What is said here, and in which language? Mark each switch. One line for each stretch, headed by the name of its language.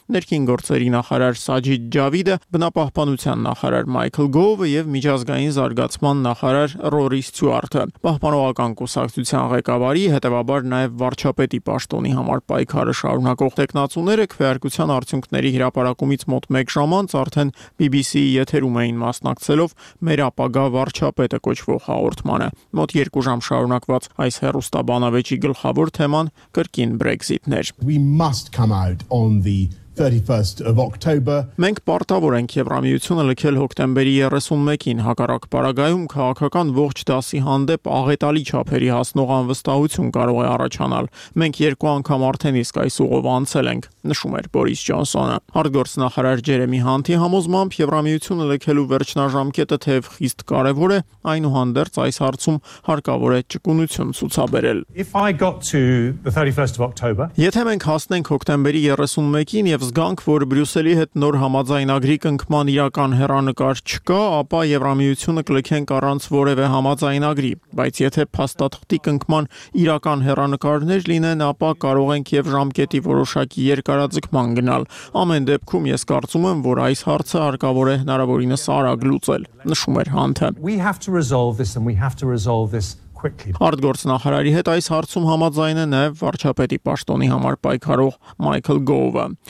Armenian: ներքին գործերի նախարար Սաջիդ Ջավիդը, բնապահպանության նախարար Մայքլ Գովը եւ միջազգային զարգացման նախարար Ռորի Սթյուարթը։ Պահպանողական կուսակցության ղեկավարի հետեւաբար նաեւ վարչապետի պաշտոնի համար պայքարը շարունակող տեկնացուները քվեարկության արդյունքների հրապարակումից մոտ 1 ժամ անց արդեն BBC-ի եթերում էին մասնակցելով մեր ապագա վարչապետը կոչվող հաղորդմանը։ Մոտ 2 ժամ շարունակված այս հեռուստաբանավեճի գլխավոր թեման կրկին Brexit-ն էր։
English: We must come out on the 31st of October.
Armenian: Մենք պարտավոր ենք Եվրամիությունը լքել հոկտեմբերի 31-ին հակառակ պարագայում քաղաքական ողջ դասի հանդեպ աղետալի չափերի հասնող անվստահություն կարող է առաջանալ։ Մենք 2 անգամ արդեն իսկ այս ուղով անցել ենք, նշում էր Բորիս Ջոնսոնը։ Արտգործնախարար Ջերեմի Հանթի համոզմամբ Եվրամիությունը լքելու վերջնաժամկետը թեև խիստ կարևոր է, այնուհանդերձ այս հարցում հարկավոր է ճկունություն ցուցաբերել։
English: If I got to the 31st of October.
Armenian: Եթե մենք հասնենք հոկտեմբերի 31-ին եւ զգանք, որ Բրյուսելի հետ նոր համաձայնագրի կնքման իրական հեռանկար չկա, ապա Եվրամիությունը կլքենք առանց որևէ համաձայնագրի, բայց եթե փաստաթղթի կնքման իրական հեռանկարներ լինեն, ապա կարող ենք և ժամկետի որոշակի երկարաձգման գնալ։ Ամեն դեպքում ես կարծում եմ, որ այս հարցը հարկավոր է հնարավորինս արագ լուծել, նշում էր Հանթը։ Արդ գործնախարարի հետ այս հարցում համաձայն է նաև վարչապետի պաշտոնի համար պայքարող Մայքլ Գովը։